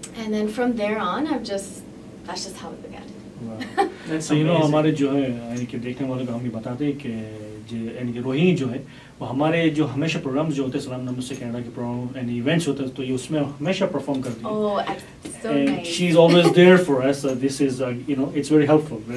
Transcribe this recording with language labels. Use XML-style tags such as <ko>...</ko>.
<en>And then from there on, that's just how it began. Wow. That's so amazing.</en> <hi>You know, हमारे जो है यानी कि देखने वालों को हम ये बताते हैं कि जो यानी कि रोहिणी जो है वो हमारे जो हमेशा प्रोग्राम्स जो होते हैं सलाम नमस्ते कनाडा के प्रोग्राम एंड इवेंट्स होते हैं तो ये उसमें हमेशा परफॉर्म करती</hi> <en>हैं. Oh, so and nice. She is always there for us. This is you know, it's very helpful.</en>